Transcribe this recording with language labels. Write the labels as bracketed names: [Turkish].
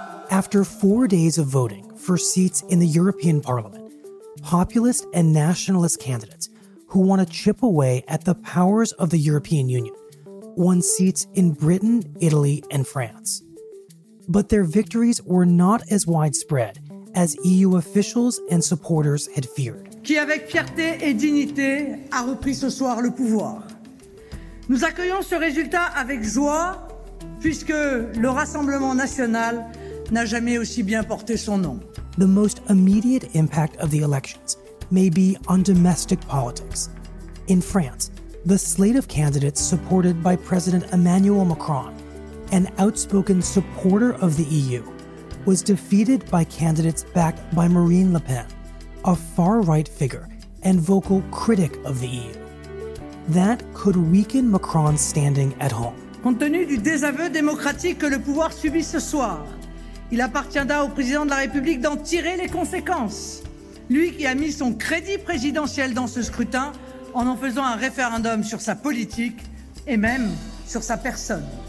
[English] After 4 days of voting for seats in the European Parliament, populist and nationalist candidates who want to chip away at the powers of the European Union won seats in Britain, Italy, and France. But their victories were not as widespread as EU officials and supporters had feared. [French] Qui avec fierté et dignité a repris ce soir le pouvoir. Nous accueillons ce résultat avec joie. Puisque le Rassemblement national n'a jamais aussi bien porté son nom. [English] The most immediate impact of the elections may be on domestic politics. In France, the slate of candidates supported by President Emmanuel Macron, an outspoken supporter of the EU, was defeated by candidates backed by Marine Le Pen, a far-right figure and vocal critic of the EU. That could weaken Macron's standing at home. [French] Compte tenu du désaveu démocratique que le pouvoir subit ce soir, il appartiendra au président de la République d'en tirer les conséquences. Lui qui a mis son crédit présidentiel dans ce scrutin en faisant un référendum sur sa politique et même sur sa personne.